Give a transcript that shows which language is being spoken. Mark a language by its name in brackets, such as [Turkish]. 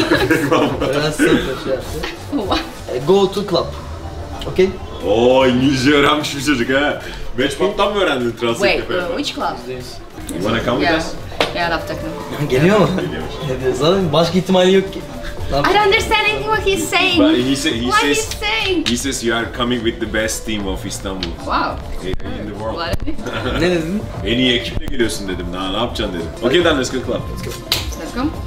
[English] Fake mom. [Turkish] Biraz sığ taşı yaptı. [English] Go to club. Okay? [Turkish] Oo İngilizce öğrenmiş bir çocuk ha. Matchbox'tan mı öğrendin translate yapıyor? [English] Wait, which club? You wanna come with us? Yeah, I'll take him. [Turkish] Geliyor mu? Geliyor. Zaten başka ihtimali yok ki. [English] I don't understand anything what he's saying. He says you are coming with the best team of Istanbul. Wow. In the world. [Turkish] Ne dedin? En iyi ekiple geliyorsun dedim. Ne yapacaksın dedim. [English] Okay then, let's go club. Let's go. Let's go.